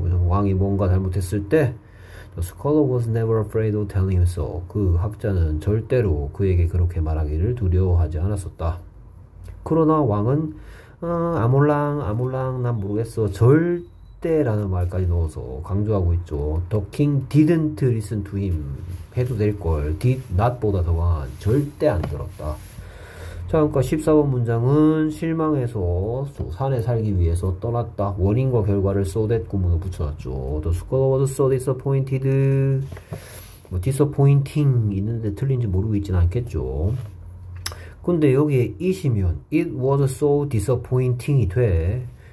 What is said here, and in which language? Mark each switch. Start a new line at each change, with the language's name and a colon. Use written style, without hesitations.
Korean: 그래서 왕이 뭔가 잘못했을 때,
English: The scholar was never afraid of telling him so.
Korean: 그 학자는 절대로 그에게 그렇게 말하기를 두려워하지 않았었다. 그러나 왕은, 아몰랑, 아몰랑, 난 모르겠어. 라는 말까지 넣어서 강조하고 있죠.
English: The king didn't listen to him
Korean: 해도 될 걸. did not보다 더 강한 절대 안 들었다. 자, 그러니까 14번 문장은 실망해서 산에 살기 위해서 떠났다. 원인과 결과를 so that 구문을 붙여놨죠.
English: The scholar was so disappointed.
Korean: disappointing 있는데 틀린지 모르고 있진 않겠죠. 근데 여기에 is이면 it was so disappointing이 돼.